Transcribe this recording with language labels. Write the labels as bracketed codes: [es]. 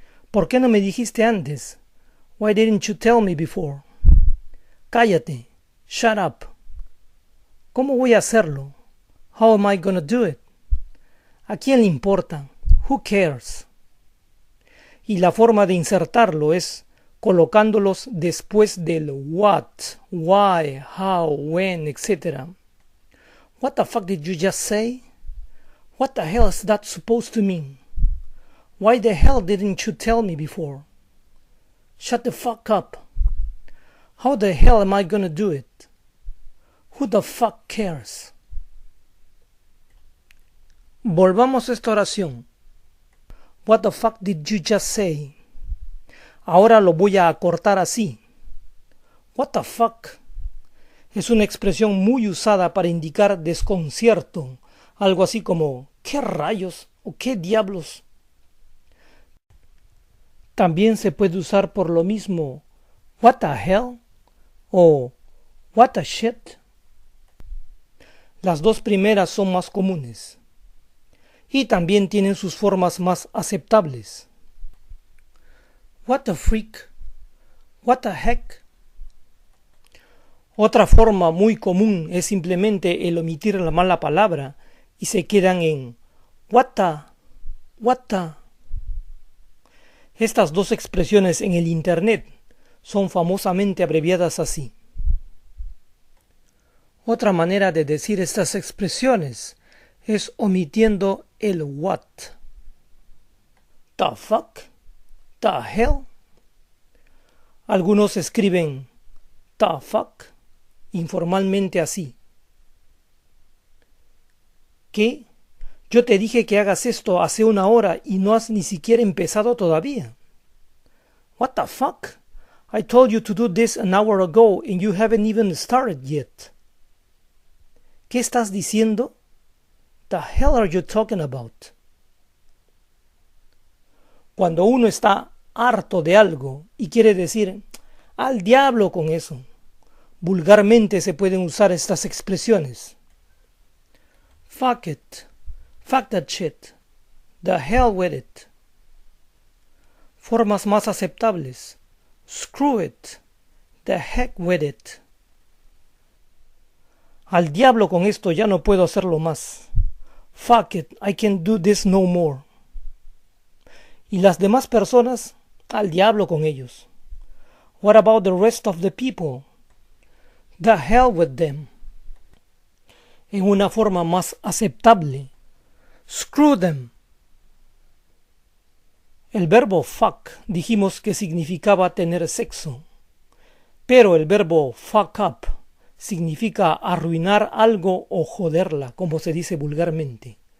[es] ¿Por qué no me dijiste antes? [en] Why didn't you tell me before? [es] Cállate. [en] Shut up. [es] ¿Cómo voy a hacerlo? [en] How am I gonna do it? [es] ¿A quién le importa? [en] Who cares? [es] Y la forma de insertarlo es colocándolos después del what, why, how, when, etc. [en] What the fuck did you just say? What the hell is that supposed to mean? Why the hell didn't you tell me before? Shut the fuck up. How the hell am I gonna do it? Who the fuck cares? [es] Volvamos a esta oración. [en] What the fuck did you just say? [es] Ahora lo voy a acortar así. [en] What the fuck? [es] Es una expresión muy usada para indicar desconcierto. Algo así como, ¿qué rayos o qué diablos? También se puede usar por lo mismo, what the hell o what the shit. Las dos primeras son más comunes y también tienen sus formas más aceptables. [en] What the freak, what the heck. [es] Otra forma muy común es simplemente el omitir la mala palabra y se quedan en what the, what the. Estas dos expresiones en el internet son famosamente abreviadas así. Otra manera de decir estas expresiones es omitiendo el what. [en] The fuck? The hell? [es] Algunos escriben the fuck informalmente así. ¿Qué? Yo te dije que hagas esto hace una hora y no has ni siquiera empezado todavía. [en] What the fuck? I told you to do this an hour ago and you haven't even started yet. [es] ¿Qué estás diciendo? [en] The hell are you talking about? [es] Cuando uno está harto de algo y quiere decir al diablo con eso, vulgarmente se pueden usar estas expresiones. [en] Fuck it. Fuck that shit. The hell with it. [es] Formas más aceptables. [en] Screw it. The heck with it. [es] Al diablo con esto, ya no puedo hacerlo más. [en] Fuck it, I can't do this no more. [es] Y las demás personas, al diablo con ellos. [en] What about the rest of the people? The hell with them. [es] En una forma más aceptable. [en] Screw them. [es] El verbo fuck dijimos que significaba tener sexo. Pero el verbo fuck up significa arruinar algo o joderla, como se dice vulgarmente.